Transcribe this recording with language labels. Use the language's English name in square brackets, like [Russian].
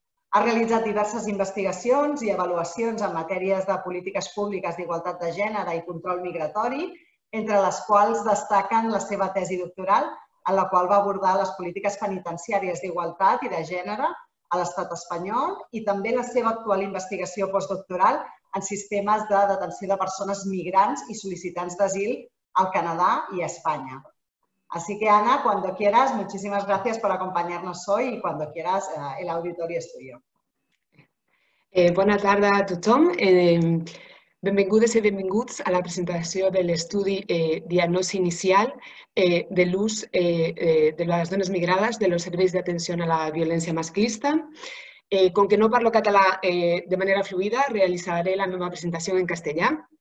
[Catalan] Ha realitzat diverses investigacions i avaluacions en matèries de polítiques públiques d'igualtat de gènere i control migratori, entre les quals destaquen la seva tesi doctoral, en la qual va abordar les polítiques penitenciàries d'igualtat i de gènere a l'Estat espanyol i també la seva actual investigació postdoctoral en sistemes de detenció de persones migrants i sol·licitants d'asil al Canadà i a Espanya. [Spanish] Así que, Ana, cuando quieras, muchísimas gracias por acompañarnos hoy y cuando quieras, el auditorio es tuyo. [Catalan] Bona tarda a tothom. Benvingudes i benvinguts a la presentació de l'estudi Diagnosi Inicial de l'ús de les dones migrades de los serveis d'atenció a la violència masclista. Com que no parlo català de manera fluida, realitzaré la meva presentació en castellà.